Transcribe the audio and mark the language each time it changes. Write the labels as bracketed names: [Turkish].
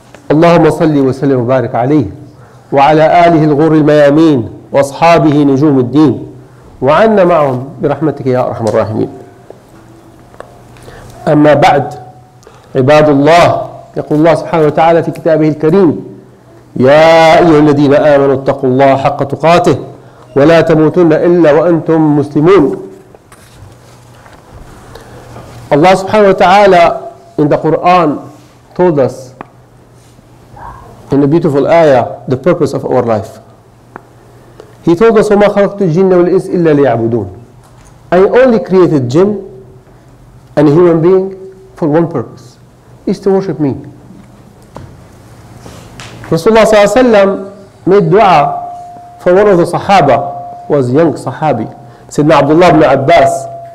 [Arabic] اللهم صل وسلم وبارك عليه وعلى آله الغر الميامين وأصحابه نجوم الدين وعنا معهم برحمتك يا أرحم الراحمين. أما بعد، عباد الله، يقول الله سبحانه وتعالى في كتابه الكريم: يا أيها الذين آمنوا اتقوا الله حق تقاته ولا تموتن إلا وأنتم مسلمون. الله سبحانه وتعالى [English] in the Quran told us in a beautiful ayah the purpose of our life. He told us [Arabic] وَمَا خَلَقْتُ الْجِنَّ وَالْإِنْسِ إِلَّا لِيَعْبُدُونَ. [English] I only created jinn and a human being for one purpose, is to worship me. Rasulullah [Arabic] صلى الله عليه وسلم [English] made dua for one of the Sahaba, was young Sahabi, سيدنا عبد الله بن عباس.